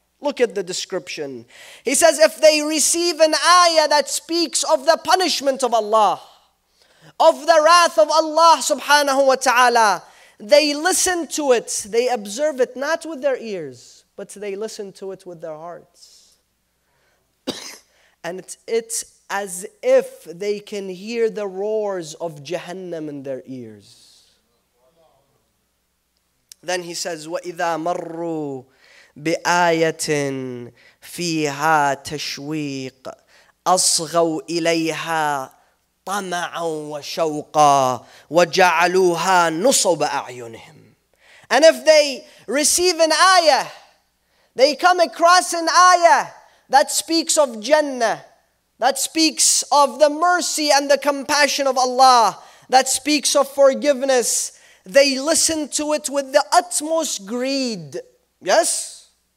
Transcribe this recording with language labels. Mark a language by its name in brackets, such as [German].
[English] Look at the description. He says, if they receive an ayah that speaks of the punishment of Allah, of the wrath of Allah subhanahu wa ta'ala, they listen to it, they observe it, not with their ears, but they listen to it with their hearts. And it's as if they can hear the roars of Jahannam in their ears. [Arabic] Then he says, وَإِذَا مَرُّوا بِآيَةٍ فِيهَا تَشْوِيقٍ أَصْغَوْا إِلَيْهَا طَمَعًا وَشَوْقًا وَجَعَلُوهَا نُصُبَ أَعْيُنِهِمْ. [English] And if they receive an ayah, they come across an ayah that speaks of Jannah, that speaks of the mercy and the compassion of Allah, that speaks of forgiveness, they listen to it with the utmost greed. Yes?